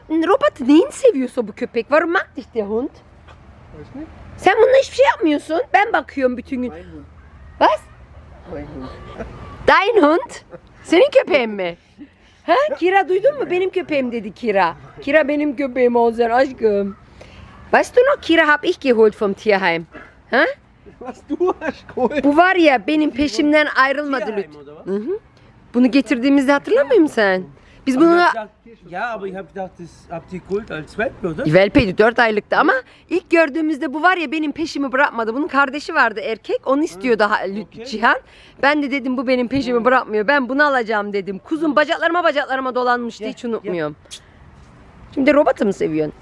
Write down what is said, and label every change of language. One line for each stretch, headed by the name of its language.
Turkish: Robert neyin seviyorsa bu köpek.
German: Warum mag dich der Hund?
Turkish: Sen bununla hiçbir şey yapmıyorsun. Ben bakıyorum bütün gün.
German: Was? Dein Hund?
Turkish: Senin köpeğin mi? Ha? Kira duydun mu? Benim köpeğim dedi Kira. Kira benim köpeğim olsun aşkım.
German: Weißt du noch, Kira hab ich geholt vom Tierheim. Ha? Was du hast geholt?
Turkish: Bu var ya benim peşimden ayrılmadı lütfen. Hı. Bunu getirdiğimizde hatırlamıyor musun sen? Biz bunu...
German: Ya, aber ich hab gedacht, das habt ihr geholt als Welpe, oder?
Turkish: Welpeydi, 4 aylıktı ama ilk gördüğümüzde bu var ya benim peşimi bırakmadı. Bunun kardeşi vardı erkek, onu istiyordu Cihan. Ben de dedim bu benim peşimi bırakmıyor, ben bunu alacağım dedim. Kuzum bacaklarıma dolanmıştı, hiç unutmuyorum. Şimdi robotu mu seviyorsun?